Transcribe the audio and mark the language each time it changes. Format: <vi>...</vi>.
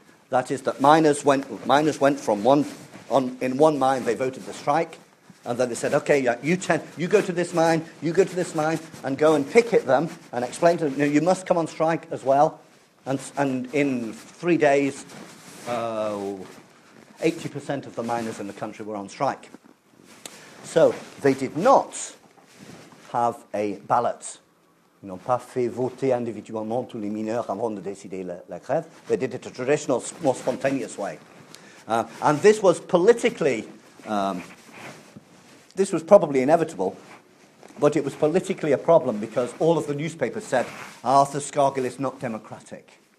<en>That is that miners went from one mine, they voted the strike, and then they said, okay, yeah, you go to this mine, and go and picket them and explain to them, no, you must come on strike as well. And in 3 days, 80% of the miners in the country were on strike. So they did not have a ballot.</en> <fr>Ils n'ont pas fait voter individuellement tous les mineurs avant de décider la grève.</fr> <en>They did it a traditional, more spontaneous way. And this was politically, this was probably inevitable, but it was politically a problem because all of the newspapers said, Arthur Scargill is not democratic.</en>